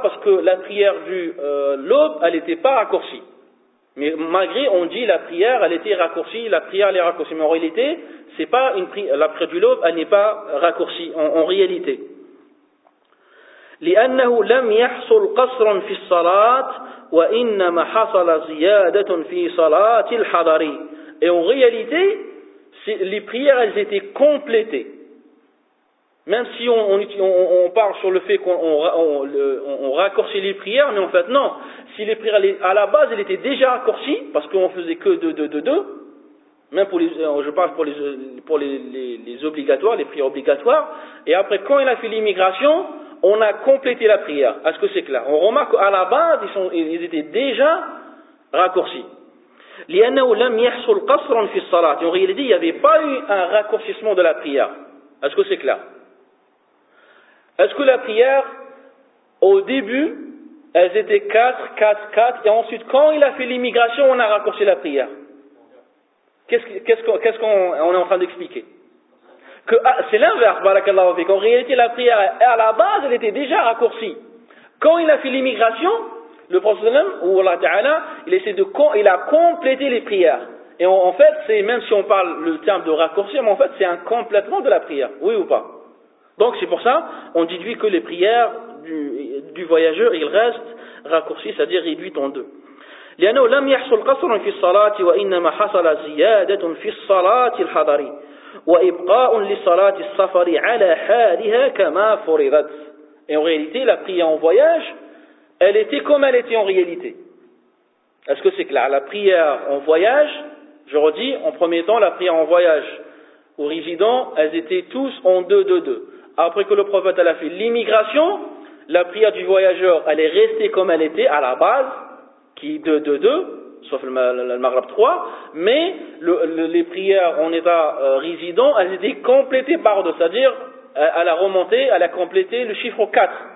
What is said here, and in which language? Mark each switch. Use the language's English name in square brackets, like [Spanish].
[French] Parce que la prière du l'aube, elle n'était pas raccourcie. Mais malgré, on dit la prière, elle était raccourcie, la prière elle est raccourcie. Mais en réalité, c'est pas la prière du l'aube, elle n'est pas raccourcie en réalité. [Arabic] لأنه لم يحصل قصر في الصلاة وإنما حصل زيادة في صلاة الحضر. [French] Et en réalité, les prières elles étaient complétées. Même si on parle sur le fait qu'on raccourcit les prières, mais en fait non. Si les prières à la base elles étaient déjà raccourcies, parce qu'on faisait que deux, même pour les obligatoires, les prières obligatoires. Et après, quand il a fait l'immigration, on a complété la prière. Est-ce que c'est clair? On remarque qu'à la base ils étaient déjà raccourcis. [Arabic] لأنه لم يحصل قصر في الصلاة. [French] En réalité, il n'y avait pas eu un raccourcissement de la prière. Est-ce que c'est clair? Est-ce que la prière, au début, elles étaient 4, 4, 4, et ensuite, quand il a fait l'immigration, on a raccourci la prière? Qu'est-ce qu'on est en train d'expliquer? que c'est l'inverse, [Arabic] barakallahu fik. [French] En réalité, la prière, à la base, elle était déjà raccourcie. Quand il a fait l'immigration, le prophète, ou Allah Ta'ala, il a complété les prières. Et en fait, c'est, même si on parle le terme de raccourci, mais en fait, c'est un complètement de la prière. Oui ou pas? Donc, c'est pour ça, on déduit que les prières du voyageur, il reste raccourci, c'est-à-dire réduit en deux. [Arabic] لأنه لم يحصل قصر في الصلاة وإنما حصل زيادة في الصلاة الحضر وإبقاء لصلاة السفر على حالها كما فرضت. [French] En réalité, la prière en voyage, elle était comme elle était en réalité. Est-ce que c'est clair? La prière en voyage, je redis, en premier temps, la prière en voyage aux résidents, elles étaient tous en deux, deux, deux. Après que le prophète a fait l'immigration, la prière du voyageur, elle est restée comme elle était à la base, qui est 2, 2, 2, sauf le Maghreb 3, mais les prières en état résident, elles étaient complétées par 2, c'est-à-dire, elle a remonté, elle a complété le chiffre 4.